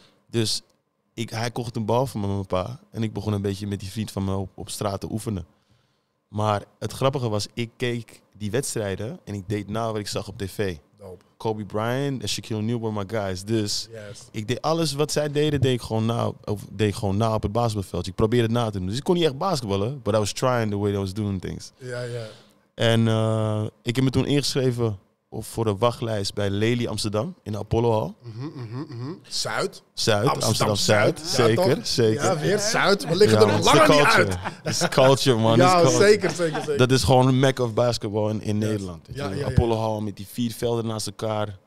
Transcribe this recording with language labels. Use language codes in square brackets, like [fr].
[nl] Dus hij kocht een bal van me met mijn pa. En ik begon een beetje met die vriend van me op straat te oefenen. Maar het grappige was, ik keek die wedstrijden en ik deed na wat ik zag op tv. Kobe Bryant en Shaquille O'Neal [en] were my guys. [nl] Dus ik deed alles wat zij deden, deed ik gewoon na op het basketbalveld. Ik probeerde het na te doen. Dus ik kon niet echt basketballen, [en] but I was trying the way I was doing things. [nl] En ik heb me toen ingeschreven voor de wachtlijst bij Lely Amsterdam in de Apollo Hall. Zuid. Amsterdam-Zuid. Zeker. Ja, weer Zuid. We liggen er nog langer niet uit. [en] It's culture, man. [nl] Ja, [en] it's culture. [nl] Zeker. Dat is gewoon een [en] mecca of basketball [nl] in Nederland. Apollo Hall met die 4 velden naast elkaar.